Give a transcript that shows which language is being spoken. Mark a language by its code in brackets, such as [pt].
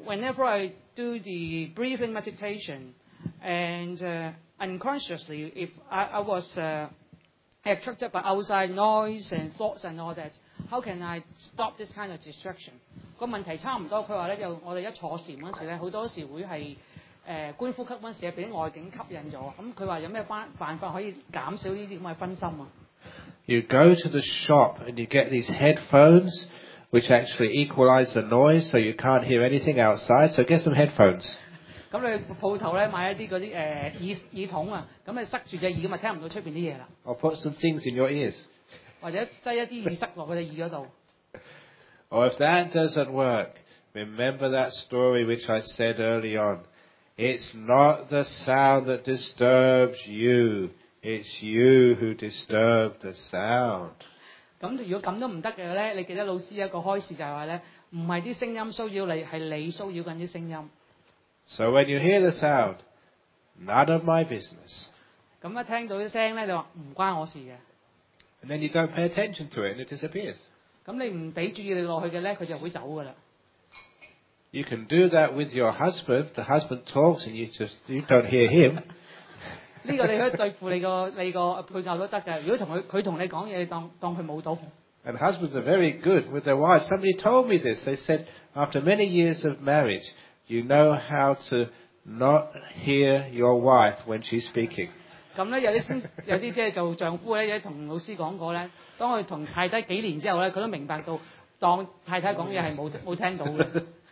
[en] Whenever I do the breathing meditation, and unconsciously, if I was attracted by outside noise and thoughts and all that, how can I stop this kind of distraction? [yue] 個問題差唔多，佢話咧，就我哋一坐禅嗰陣時咧，好多時會係。觀呼吸嗰陣時，俾外境吸引咗。咁佢話有咩辦法可以減少呢啲咁嘅分心啊 [en] ？You go to the shop and you get these headphones, which actually equalise the noise, so you can't hear anything outside. So get some headphones. [yue] 咁你鋪頭咧買一啲嗰啲耳筒啊，咁你塞住隻耳咁啊，聽唔到出邊啲嘢啦。 [en] Or put some things in your ears. [yue] 或者擠一啲耳塞落佢隻耳嗰度。 [en] Or if that doesn't work, remember that story which I said early on. It's not the sound that disturbs you. It's you who disturb the sound. [yue] 咁如果咁都唔得嘅咧，你記得老師一個開示就係話咧，唔係啲聲音騷擾你，係你騷擾緊啲聲音。 [en] So when you hear the sound, none of my business. [yue] 咁一聽到啲聲咧，就話唔關我事嘅。 [en] And then you don't pay attention to it, and it disappears. [yue] 咁你唔俾注意力落去嘅咧，佢就會走噶啦。 [en] You can do that with your husband. The husband talks, and you don't hear him. [yue] 呢個你可以對付你個配偶都得嘅。如果同佢同你講嘢，當佢冇到。 [en] And husbands are very good with their wives. Somebody told me this. They said, after many years of marriage, you know how to not hear your wife when she's speaking. [yue] 咁咧，有啲即係做丈夫咧，有啲同老師講過咧，當佢同太太幾年之後咧，佢都明白到當太太講嘢係冇聽到嘅。